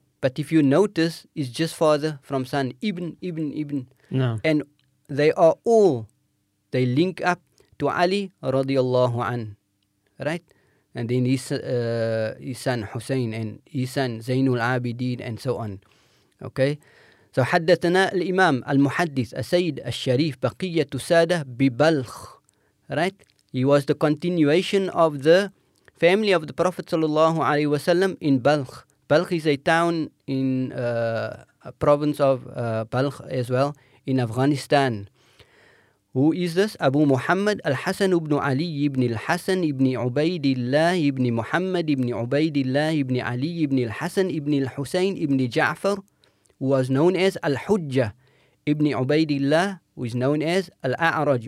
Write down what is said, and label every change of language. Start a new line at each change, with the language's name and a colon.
English: But if you notice, it's just father from son, ibn. No. And they are all, they link up to Ali radiallahu an, right? And then his son Hussein and his son Zainul Abidin and so on. Okay.
Arabic: So حدثنا الإمام المحدث السيد الشريف بقية سادة ببلخ.
English: Right. He was the continuation of the family of the Prophet sallallahu alaihi wasallam in Balkh. Balkh is a town in a province of Balkh as well in Afghanistan. Who is this? Abu Muhammad al-Hasan ibn Ali ibn al-Hasan ibn Ubaidillah ibn Muhammad ibn Ubaidillah ibn Ali ibn al-Hasan ibn al-Husayn ibn Ja'far, who was known as al-Hujjah ibn Ubaidillah, who is known as al-A'raj.